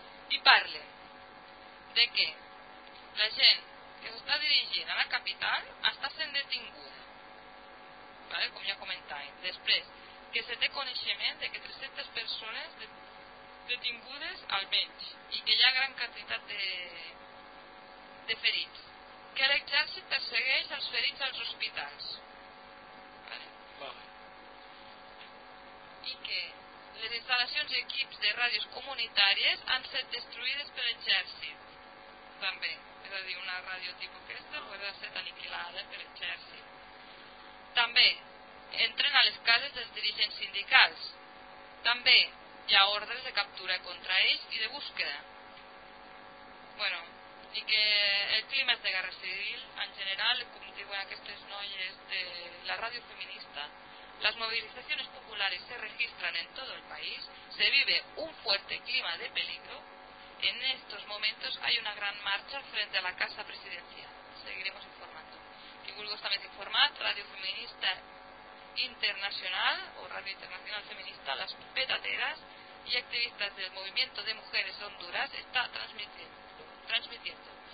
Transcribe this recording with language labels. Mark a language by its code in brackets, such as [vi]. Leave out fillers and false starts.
[es] Y parle de que la gente que se está dirigiendo a la capital está siendo detenida, ¿vale? Como ya comentaba. Después, que se te conocimiento de que 300 personas detenidas al menos y que ya gran cantidad de feridos. Que el exército persigue a los feridos a los hospitales. [ca] I que les instal·lacions i equips de ràdios comunitàries han estat destruïdes per l'exèrcit. També, és a dir, una ràdio tipus aquesta pot ser aniquilada per l'exèrcit. També entren a les cases dels dirigents sindicals. També hi ha ordres de captura contra ells i de búsqueda. Bueno, i que el clima és de guerra civil en general, com diuen aquestes noies de la ràdio feminista. [es] Las movilizaciones populares se registran en todo el país, se vive un fuerte clima de peligro. En estos momentos hay una gran marcha frente a la Casa Presidencial. Seguiremos informando. Y vuelvo también a informar, Radio Feminista Internacional o Radio Internacional Feminista, las petateras y activistas del Movimiento de Mujeres Honduras está transmitiendo,